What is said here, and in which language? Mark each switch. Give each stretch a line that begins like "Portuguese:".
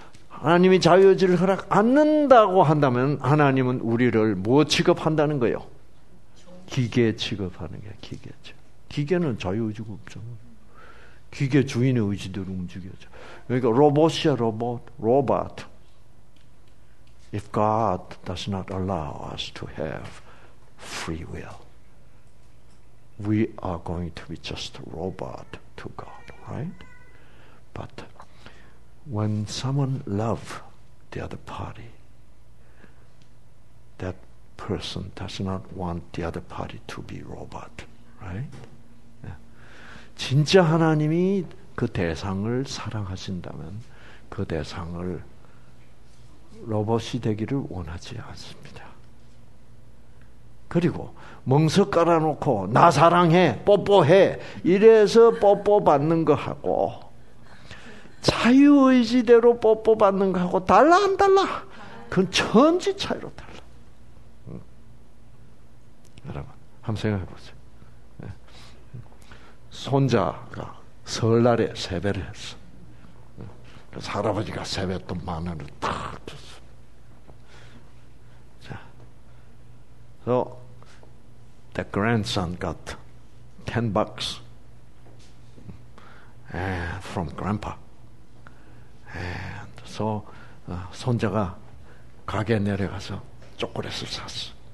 Korean: 하나님이 자유의지를 허락 않는다고 한다면 하나님은 우리를 뭐 취급한다는 거예요? 기계 취급하는 거예요. 기계 취급. 기계는 자유의지가 없잖아요. 기계 주인의 의지대로 움직여져. 그러니까 로봇이야 로봇.
English: Robot. If God does not allow us to have free will. We are going to be just a robot to God, right? But when someone loves the other party, that person does not want the other party to be robot, right? Yeah.
Korean: 진짜 하나님이 그 대상을 사랑하신다면 그 대상을 로봇이 되기를 원하지 않습니다. 그리고 멍석 깔아놓고 나 사랑해 뽀뽀해 이래서 뽀뽀 받는 거하고 자유의지대로 뽀뽀 받는 거하고 달라 안 달라? 그건 천지 차이로 달라. 여러분 한번 생각해 보세요. 손자가 설날에 세배를 했어. 그래서 할아버지가 세뱃돈 만 원을 탁 줬어.
English: 자, so the grandson got 10 bucks and from grandpa. And so
Korean: 손자가 가게 내려가서 초콜릿을 샀어.